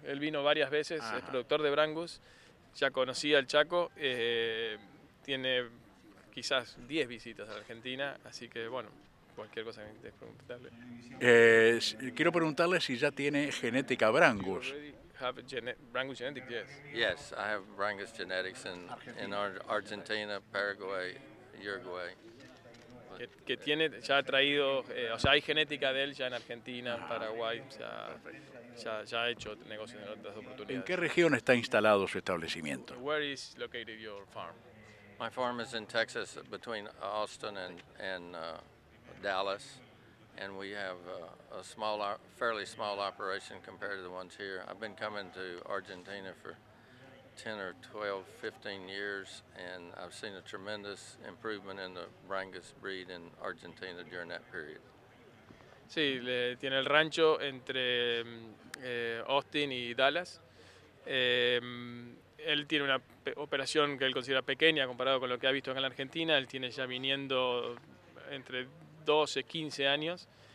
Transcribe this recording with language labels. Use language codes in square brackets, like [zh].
[es] Él vino varias veces, es productor de Brangus, ya conocía al Chaco, tiene quizás 10 visitas a la Argentina, así que bueno, cualquier cosa que quieras preguntarle. Quiero preguntarle si ya tiene genética Brangus. [en] Have Brangus genetics, yes. Yes, I have Brangus genetics in Argentina, Paraguay, Uruguay. [es] Que tiene, ya ha traído, o sea, hay genética de él ya en Argentina, en Paraguay, ya ha hecho negocios en otras oportunidades. ¿En qué región está instalado su establecimiento? [en] Where is located your farm? My farm is in Texas, between Austin and Dallas. And we have a fairly small operation compared to the ones here. I've been coming to Argentina for 10 or 12, 15 years, and I've seen a tremendous improvement in the Brangus breed in Argentina during that period. [es] Sí, tiene el rancho entre Austin y Dallas. Él tiene una operación que él considera pequeña comparado con lo que ha visto acá en la Argentina. Él tiene ya viniendo entre 12, 15 años.